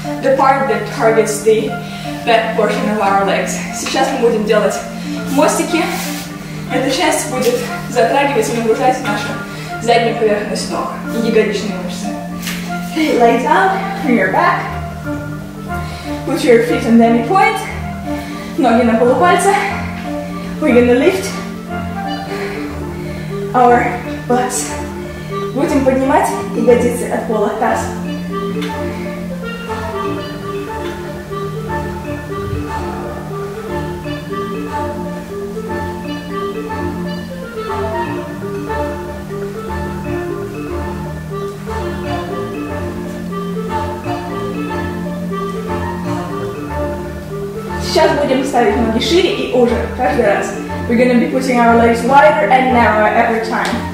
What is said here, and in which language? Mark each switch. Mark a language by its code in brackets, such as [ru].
[en] The part that targets the back portion of our legs. [ru] Сейчас мы будем делать мостики. Эта часть будет затрагивать и нагружать нашу заднюю поверхность ног и ягодичные мышцы. [en] Okay, lay down on your back. Put your feet on the any point. [ru] Ноги на полупальце. [en] We're gonna lift our butts. [ru] Будем поднимать ягодицы от пола, таз. Сейчас будем ставить ноги шире и уже каждый раз. [en] We're gonna be putting our legs wider and narrower every time.